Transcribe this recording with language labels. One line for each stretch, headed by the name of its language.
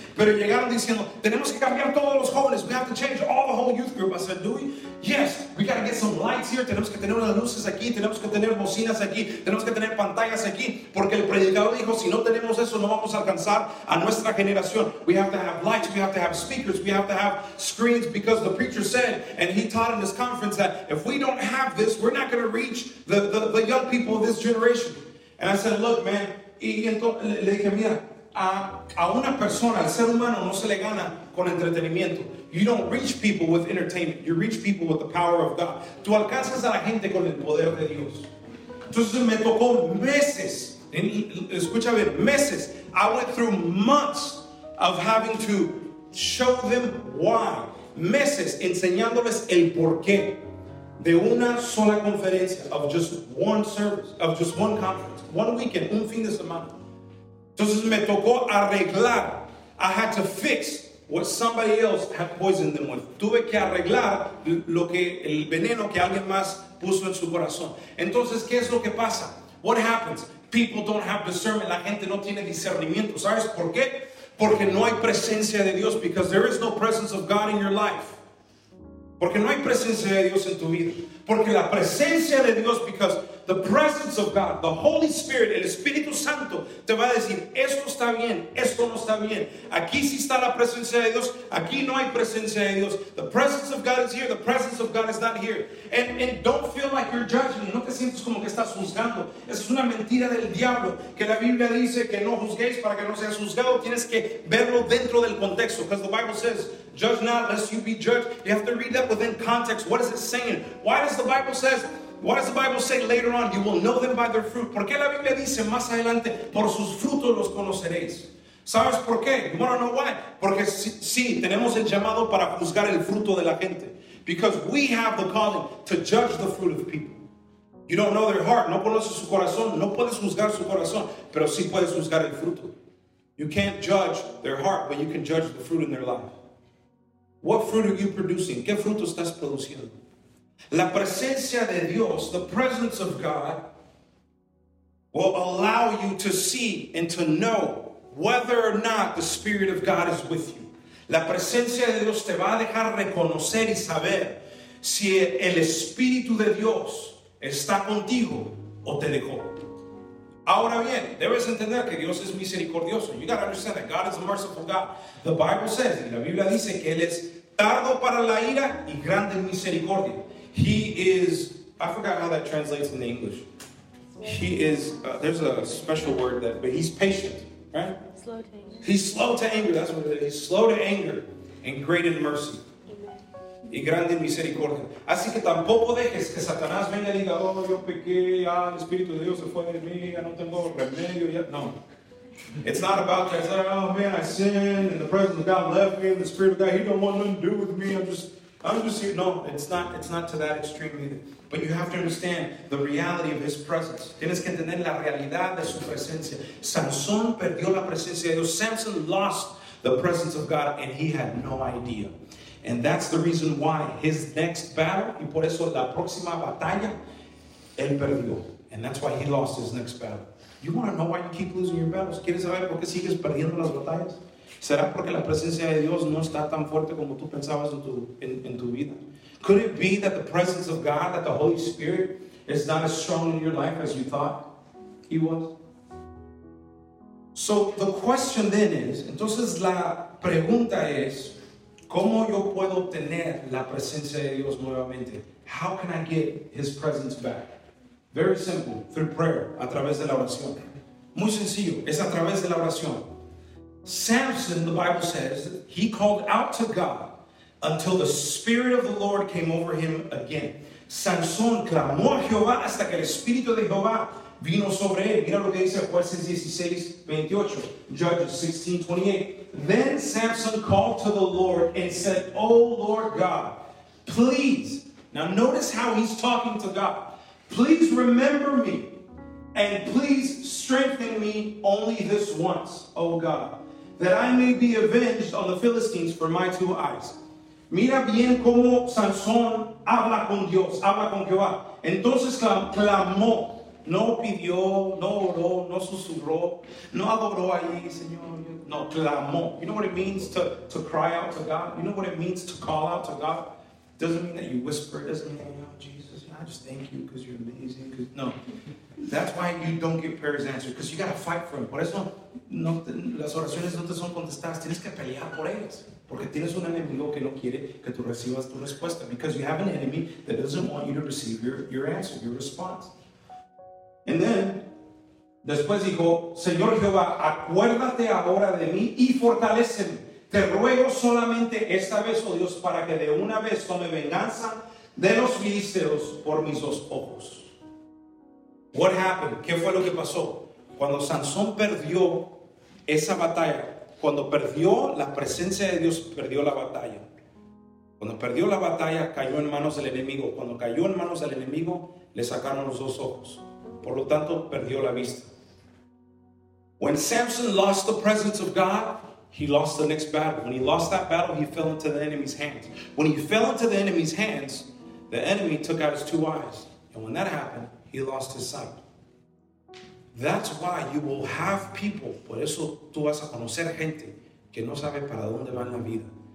Spanish: Pero llegaron diciendo, tenemos que cambiar todos los jóvenes.
English: We have to change all the whole youth group. I said, do we? Yes. We got to get some lights here.
Spanish: Tenemos que tener unas luces aquí. Tenemos que tener bocinas aquí. Tenemos que tener pantallas aquí. Porque el predicador dijo, si no tenemos eso, no vamos a alcanzar a nuestra generación.
English: We have to have lights. We have to have speakers. We have to have screens. Because the preacher said, and he taught in this conference, that if we don't have this, we're not going to reach the young people of this generation. And I said, look, man.
Spanish: Y entonces le dije, mira, a una persona, al ser humano, no se le gana con entretenimiento.
English: You don't reach people with entertainment. You reach people with the power of God.
Spanish: Tú alcanzas a la gente con el poder de Dios. Entonces me tocó meses. Escucha bien, meses.
English: I went through months of having to show them why.
Spanish: Meses enseñándoles el porqué de una sola conferencia,
English: of just one service, of just one conference, one weekend,
Spanish: un fin de semana. Entonces me tocó arreglar.
English: I had to fix what somebody else had poisoned them with.
Spanish: Tuve que arreglar lo que el veneno que alguien más puso en su corazón. Entonces, ¿qué es lo que pasa?
English: What happens? People don't have discernment.
Spanish: La gente no tiene discernimiento. ¿Sabes por qué? Porque no hay presencia de Dios.
English: Because there is no presence of God in your life.
Spanish: Porque no hay presencia de Dios en tu vida. Porque la presencia de Dios,
English: because the presence of God, the Holy Spirit,
Spanish: el Espíritu Santo, te va a decir, esto está bien, esto no está bien. Aquí sí está la presencia de Dios, aquí no hay presencia de Dios.
English: The presence of God is here, the presence of God is not here. And don't feel like you're judging.
Spanish: No te sientes como que estás juzgando. Esa es una mentira del diablo, que la Biblia dice que no juzguéis para que no seas juzgado. Tienes que verlo dentro del contexto.
English: Because the Bible says, judge not lest you be judged. You have to read that within context. What is it saying? What does the Bible say later on? You will know them by their fruit.
Spanish: ¿Por qué la Biblia dice más adelante, por sus frutos los conoceréis? ¿Sabes por qué?
English: You want to know why?
Spanish: Porque sí, tenemos el llamado para juzgar el fruto de la gente.
English: Because we have the calling to judge the fruit of the people. You don't know their heart.
Spanish: No conoces su corazón. No puedes juzgar su corazón. Pero sí puedes juzgar el fruto.
English: You can't judge their heart, but you can judge the fruit in their life. What fruit are you producing?
Spanish: ¿Qué fruto estás produciendo? La presencia de Dios,
English: the presence of God, will allow you to see and to know whether or not the Spirit of God is with you.
Spanish: La presencia de Dios te va a dejar reconocer y saber si el Espíritu de Dios está contigo o te dejó. Ahora bien, debes entender que Dios es misericordioso.
English: You got to understand that God is a merciful God. The Bible says,
Spanish: y la Biblia dice que Él es tardo para la ira y grande en misericordia.
English: He is, I forgot how that translates in the English. He is, there's a special word that, but he's patient, right? Slow to anger. He's slow to anger, that's what it is. He's slow to anger and great in mercy.
Spanish: Y grande en misericordia. Así que tampoco dejes que Satanás venga y diga, oh, yo pequé, ah, el Espíritu de Dios se fue de mí, ya no tengo remedio, ya, no.
English: It's not about that. It's like, oh, man, I sinned, and the presence of God left me, and the Spirit of God, he don't want nothing to do with me, I'm just, No, it's not to that extreme either. But you have to understand the reality of his presence.
Spanish: Tienes que entender la realidad de su presencia. Samson perdió la presencia de Dios.
English: Samson lost the presence of God, and he had no idea. And that's the reason why his next battle,
Spanish: y por eso la próxima batalla, él perdió.
English: And that's why he lost his next battle. You want to know why you keep losing your battles?
Spanish: ¿Quieres saber por qué sigues perdiendo las batallas? ¿Será porque la presencia de Dios no está tan fuerte como tú pensabas en tu vida?
English: Could it be that the presence of God, that the Holy Spirit, is not as strong in your life as you thought he was? So the question then is,
Spanish: entonces la pregunta es, ¿cómo yo puedo obtener la presencia de Dios nuevamente?
English: How can I get his presence back? Very simple, through prayer,
Spanish: a través de la oración. Muy sencillo, es a través de la oración.
English: Samson, the Bible says, he called out to God until the Spirit of the Lord came over him again.
Spanish: Samson clamó a Jehová hasta que el Espíritu de Jehová vino sobre él. Mira lo que dice Jueces 16:28,
English: Judges 16:28. Then Samson called to the Lord and said, "Oh Lord God, please." Now notice how he's talking to God. "Please remember me and please strengthen me only this once, oh God, that I may be avenged on the Philistines for my two eyes."
Spanish: Mira bien cómo Sansón habla con Dios, habla con Jehová. Entonces clamó, no pidió, no oró, no susurró, no adoró allí, Señor. No, clamó.
English: You know what it means to cry out to God? You know what it means to call out to God? Doesn't mean that you whisper, doesn't mean, "Oh, Jesus, I just thank you because you're amazing." Cause, no. That's why you don't get prayers answered, because you got to fight for them.
Spanish: Por eso, no, las oraciones no te son contestadas. Tienes que pelear por ellas. Porque tienes un enemigo que no quiere que tú recibas tu respuesta.
English: Because you have an enemy that doesn't want you to receive your answer, your response. And then,
Spanish: después dijo, "Señor Jehová, acuérdate ahora de mí y fortaléceme. Te ruego solamente esta vez, oh Dios, para que de una vez tome venganza de los filisteos por mis dos ojos."
English: What happened?
Spanish: ¿Qué fue lo que pasó? Cuando Sansón perdió esa batalla, cuando perdió la presencia de Dios, perdió la batalla. Cuando perdió la batalla, cayó en manos del enemigo. Cuando cayó en manos del enemigo, le sacaron los dos ojos. Por lo tanto, perdió la vista.
English: When Samson lost the presence of God, he lost the next battle. When he lost that battle, he fell into the enemy's hands. When he fell into the enemy's hands, the enemy took out his two eyes. And when that happened, he lost his sight. That's why you will have people,
Spanish: por eso tú vas a conocer gente que no sabe para dónde va en la vida.